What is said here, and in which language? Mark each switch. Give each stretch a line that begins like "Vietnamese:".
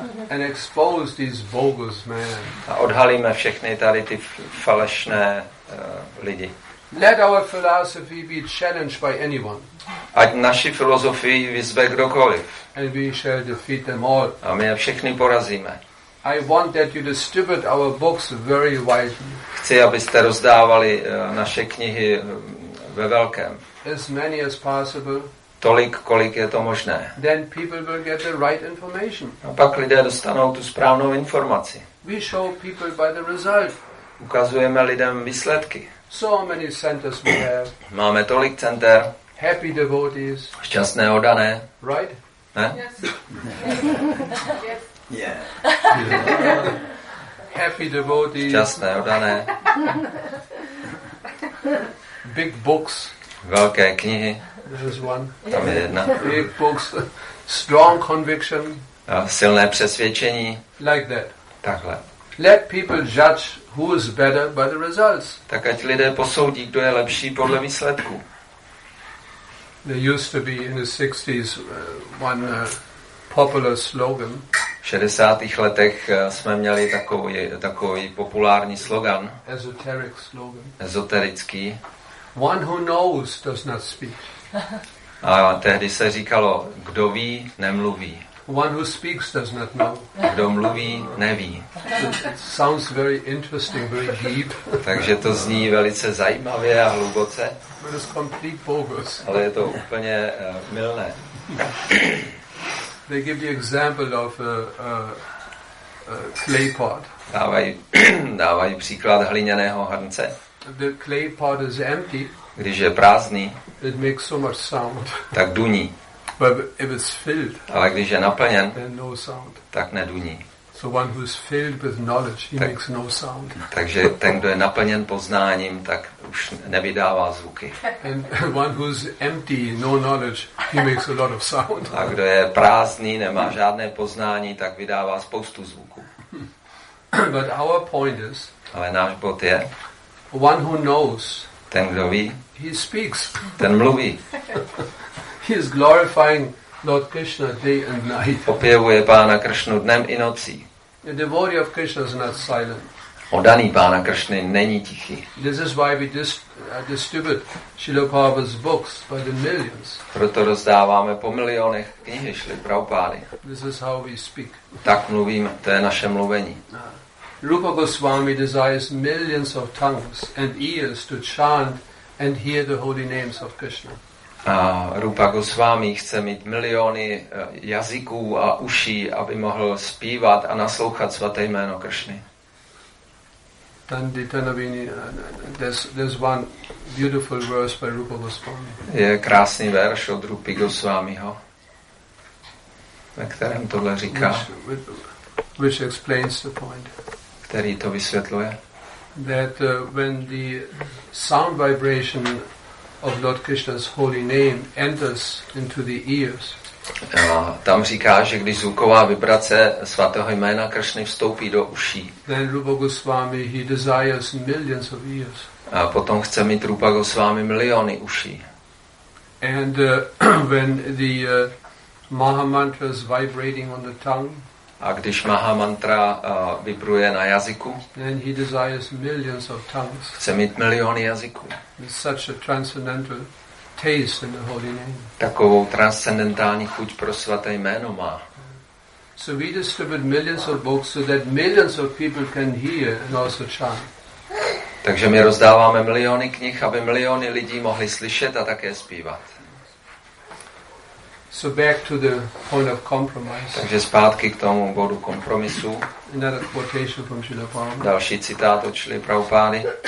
English: And expose these bogus men.
Czech: A odhalíme všechny tady ty falešné lidi.
English: Let our philosophy be challenged by anyone.
Czech: Ať naši filozofii vyzve kdokoliv.
English: And we shall defeat them all.
Czech: A my je všechny porazíme.
English: I want that you distribute our books very widely.
Czech: Chci, abyste rozdávali naše knihy ve velkém.
English: As many as possible.
Czech: Tolik, kolik je to možné.
English: Then people will get the right information.
Czech: A pak lidé dostanou tu správnou informaci.
English: We show people by the result.
Czech: Ukazujeme lidem výsledky.
English: So many centers we have.
Czech: Máme tolik center.
English: Happy devotees.
Czech: Šťastné oddané.
English: Right?
Czech: Ne?
English: Yes. Yeah. Happy devotees.
Czech: Šťastné oddané.
English: Big books.
Czech: Velké knihy.
English: This is one.
Czech: Tam je jedna.
English: Big books. Strong conviction.
Czech: A silné přesvědčení.
English: Like that.
Czech: Takhle.
English: Let people judge who is better by the results.
Czech: Tak ať lidé posoudí, kdo je lepší podle výsledků.
English: There used to be in the 60s one popular slogan.
Czech: V 60. letech jsme měli takový populární slogan.
English: Esoteric slogan.
Czech: Ezoterický.
English: One who knows does not speak.
Czech: A tehdy se říkalo, kdo ví, nemluví.
English: One who speaks does not know.
Czech: Kdo mluví, neví.
English: Sounds very interesting, very deep.
Czech: Takže to zní velice zajímavě a hluboce.
English: It is complete bogus.
Czech: Ale je to úplně mylné.
English: They give the example of a clay pot.
Czech: Dávají příklad hliněného hrnce.
English: The clay pot is empty.
Czech: Když je prázdný,
English: it makes so much sound.
Czech: Tak duní.
English: But if it's filled,
Czech: ale když je naplněn,
English: then no sound.
Czech: Tak neduní.
English: So one who is filled with knowledge, he makes no sound.
Czech: Takže ten, kdo je naplněn poznáním, tak už nevydává zvuky.
English: And one who is empty, no knowledge, he makes a lot of sound.
Czech: A kdo je prázdný, nemá žádné poznání, tak vydává spoustu zvuků.
English: But our point is,
Czech: ale náš bod je,
English: one who knows,
Czech: ten, kdo ví,
English: he speaks.
Czech: Ten mluví.
English: He is glorifying Lord Krishna day and night.
Czech: Opěvuje Pána Krishnu dnem i nocí.
English: The devotee of Krishna is not silent.
Czech: Oddaný Pána Krishny není tichý.
English: This is why we distribute Srila Prabhupada's books by the millions.
Czech: Proto rozdáváme po milionech knihy Srila Prabhupady.
English: This is how we speak.
Czech: Tak mluvíme, to je naše mluvení.
English: Rupa Goswami desires millions of tongues and ears to chant and hear the holy names of Krishna.
Czech: A Rupa Goswami chce mít miliony jazyků a uší, aby mohl zpívat a naslouchat svaté jméno Krishny.
English: There's one beautiful verse by Rupa Goswami.
Czech: Je krásný verš od Rupy Goswamiho, ve kterém tohle říká.
English: Which explains the point.
Czech: Který to vysvětluje.
English: That when the sound vibration of Lord Krishna's holy name enters into the ears.
Czech: Tam říká, že když zvuková vibrace svatého jména Krishny vstoupí do uší.
English: Then Rupa Goswami, he desires millions of ears.
Czech: A potom chce mít Rupa Goswami miliony uší.
English: And when the maha mantra is vibrating on the tongue,
Czech: a když maha mantra vibruje na jazyku,
English: then he desires millions of tongues.
Czech: Chce mít miliony jazyků.
English: It's such a transcendental taste in the holy name.
Czech: Takovou transcendentální chuť pro svaté jméno má.
English: So we distribute millions of books so that millions of people can hear and also chant.
Czech: Takže my rozdáváme miliony knih, aby miliony lidí mohli slyšet a také zpívat.
English: So back to the point of compromise.
Czech: Takže zpátky k tomu bodu kompromisu.
English: Another quotation from Srila Prabhupada.
Czech: Další citát od Srila Prabhupady.